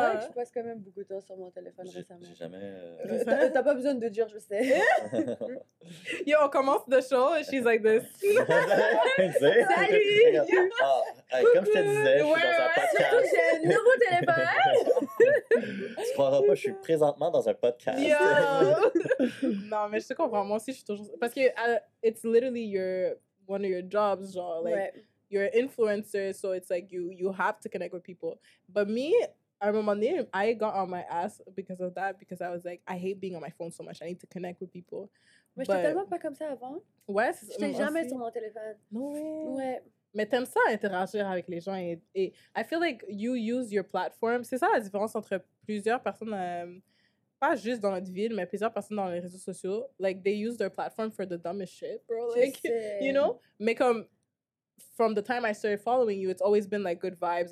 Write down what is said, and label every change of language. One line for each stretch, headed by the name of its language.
French: C'est vrai que je passe quand même beaucoup de temps sur mon téléphone récemment. J'ai jamais... T'as pas besoin de dire, je sais.
English: Yo,
French: on commence
English: the show and she's like this.
French: Salut! Comme je te disais, je suis dans un podcast. Surtout que j'ai un nouveau téléphone. Tu croiras pas, je suis présentement dans un podcast. Yo! Non, mais je te comprends. Moi aussi, je suis toujours... Parce que
English: it's literally one of your jobs, genre. Like, you're an influencer, so it's like you have to connect with people. But me...
French: À un moment donné,
English: I got on my ass because of that, because I was like, I hate being on my phone so much. I need to connect with people.
French: Mais j'étais tellement pas comme ça avant. Ouais, c'est ça. J'étais jamais sur mon téléphone. Ouais. Mais t'aimes ça, interagir avec les gens.
English: Et I feel like you use your platform.
French: C'est ça la différence entre plusieurs personnes, pas juste dans notre ville, mais plusieurs personnes dans les réseaux sociaux.
English: Like, they use their platform for the dumbest shit, bro. Like, you know?
French: Mais comme...
English: From the time I started following you, it's always been, like, good vibes.